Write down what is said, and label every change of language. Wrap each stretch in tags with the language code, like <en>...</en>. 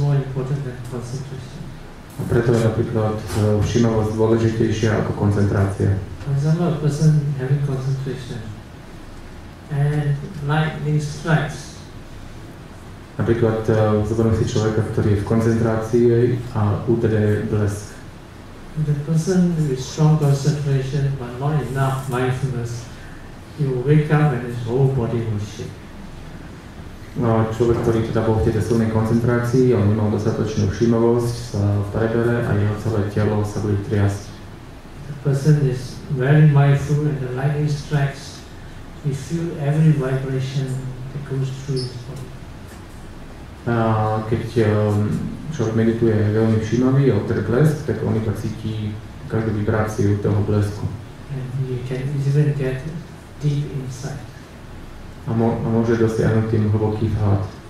<sk>A preto je napríklad všímavosť dôležitejšia ako koncentrácia.</sk> <en>For example, a person having concentration and lightning strikes.</en> <sk>Napríklad, zoberme si človeka, ktorý je v koncentrácii a útede blesk.</sk> <en>The person with strong concentration but not enough mindfulness, he will wake up and his whole body will shake.</en> <sk>No, človek, ktorý teda bol v tejto silnej koncentrácii, on nemal dostatočnú všímavosť, sa prebere a jeho celé telo sa bude triasť.</sk> <en>The person is very mindful and the lightning strikes, he feel every vibration that goes through his body.</en> <sk>A keď človek medituje veľmi všímavý, odtedy blesk, tak on iba cíti každú vibráciu toho blesku.</sk> <en>And he can even get deep inside.</en> <sk>A môže dosiahnuť tým hlboký vhľad.</sk>